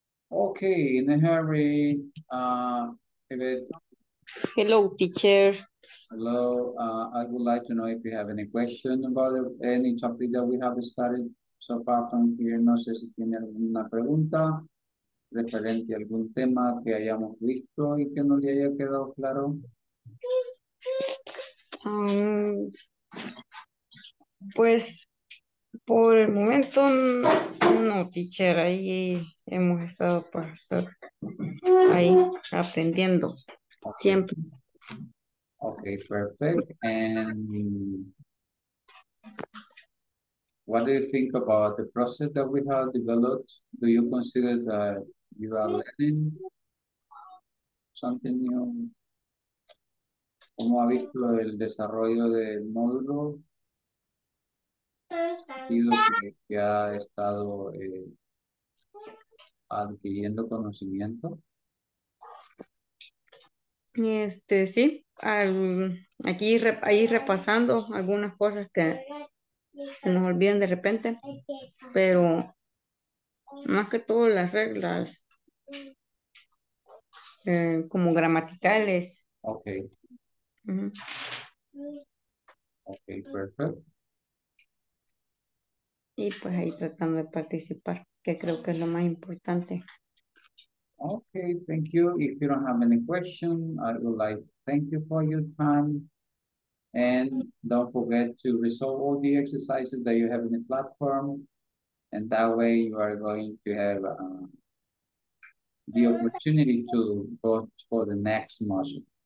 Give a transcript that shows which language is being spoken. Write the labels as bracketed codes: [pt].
[en] Okay, in a hurry. David. Hello, teacher. Hello. I would like to know if you have any question about any topic that we have studied. So far from here, [es] no sé si tiene alguna pregunta referente a algún tema que hayamos visto y que no le haya quedado claro. Pues por el momento no, teacher, ahí hemos estado para estar ahí aprendiendo. Okay. Siempre. [en] Okay, perfect. And what do you think about the process that we have developed? Do you consider that you are learning something new? [es] ¿Cómo ha visto el desarrollo del módulo? ¿Que ha estado adquiriendo conocimiento? Sí, aquí ahí repasando algunas cosas que se nos olvidan de repente, pero más que todo las reglas como gramaticales. Ok. Uh-huh. Ok, perfecto. Y pues ahí tratando de participar, que creo que es lo más importante. [en] Okay, thank you. If you don't have any question, I would like to thank you for your time. And don't forget to resolve all the exercises that you have in the platform. And that way you are going to have the opportunity to go for the next module.